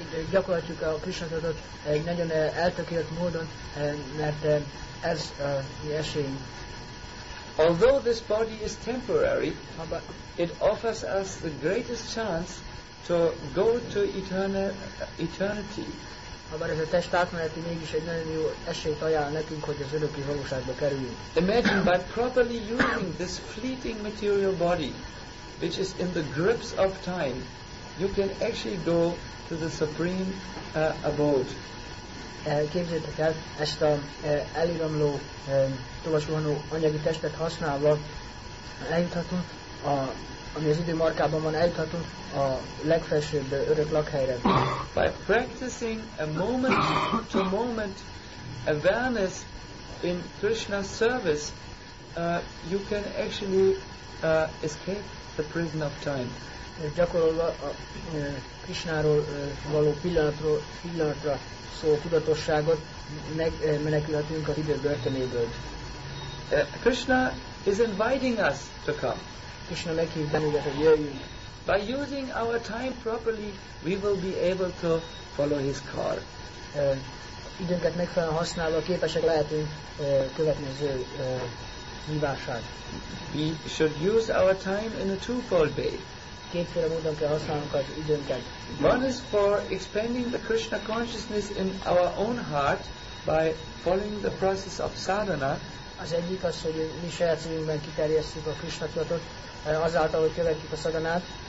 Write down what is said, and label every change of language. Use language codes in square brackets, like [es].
[hu] Gyakorlatjuk a Krishna tudatot egy nagyon eltökélt módon, mert ez mi esélyünk. [en] Although this body is temporary, it offers us the greatest chance to go to eternity. [hu] Habár ez a test átmeneti, mégis egy nagyon jó esélyt ajánl nekünk, hogy az örökké valóságba kerüljünk. [en] Imagine by properly using this fleeting material body, which is in the grips of time, you can actually go to the supreme abode. [hu] Képzeljétek el, ezt a eliramló, tovasuhanó anyagi testet használva eljuthatunk, ami az idő markában van, eljuthatunk a legfelsőbb örök lakhelyre. [en] By practicing a moment-to-moment awareness in Krishna's service, you can actually escape the prison of time. [hu] Gyakorolva a Krishnáról való pillanatról pillanatra szóló tudatosságot menekülhetünk az idő börtönéből. [en] Krishna is inviting us to come. [hu] Krishna meghív bennünket, hogy jöjjünk. [en] By using our time properly, we will be able to follow his call. [hu] Időnket megfelelően használva képesek lehetünk követni az ő hívását. [en] We should use our time in a twofold way. [hu] Kétféle módon kell használnunk az időnket. [en] One is for expanding the Krishna consciousness in our own heart by following the process of sadhana. [hu] Az egyik az, hogy mi saját szívünkben kiterjesszük a Krishna tudatot, azáltal, hogy követjük a szadhanát.